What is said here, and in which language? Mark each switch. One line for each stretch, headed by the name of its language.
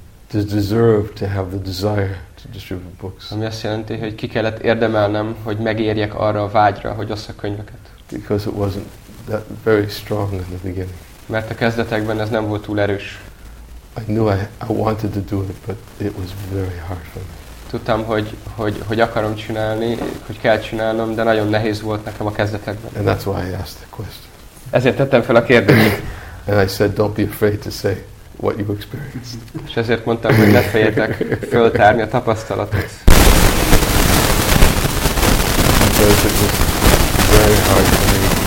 English: To deserve to have the desire to distribute books.
Hungarian: Ami azt jelenti, hogy ki kellett érdemelnem, hogy megérjek arra a vágyra, hogy osszak könyveket.
English: Because it wasn't that very strong in the beginning.
Hungarian: Mert a kezdetekben ez nem volt túl erős.
English: I knew I wanted to do it, but it was very hard for me.
Hungarian: Tudtam, hogy akarom csinálni, hogy kell csinálnom, de nagyon nehéz volt nekem a kezdetekben.
English: And that's why I asked the question.
Hungarian: Ezért tettem fel a kérdést.
English: And I said, don't be afraid to say what you experienced.
Hungarian: És ezért mondtam, hogy ne féljetek föltárni a tapasztalatot.
English: Because it was very hard for me.